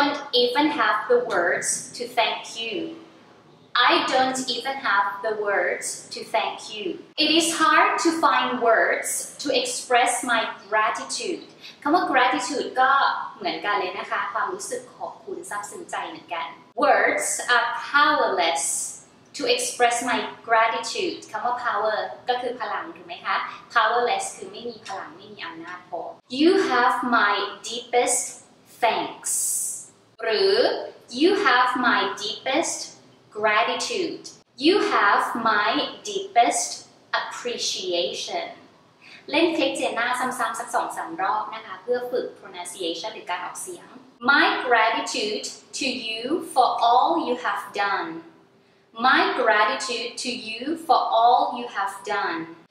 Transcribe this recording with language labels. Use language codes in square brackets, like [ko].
[en] I don't even have the words to thank you. I don't even have the words to thank you. It is hard to find words to express my gratitude. [th] คำว่า gratitude ก็เหมือนกันเลยนะคะความรู้สึกขอบคุณซาบซึ้งใจเหมือนกัน [en] Words are powerless to express my gratitude. [th] คำว่า power ก็คือพลังถูกไหมคะ powerless คือไม่มีพลังไม่มีอำนาจพ [en] อ You have my deepest thanks. หรือ you have my deepestGratitude. You have my deepest appreciation. [th] เล่นคลิกเจน่าซ้ำๆสักสองสามรอบนะคะเพื่อฝึก pronunciation หรือการออกเสียง [en] My gratitude to you for all you have done. My gratitude to you for all you have done.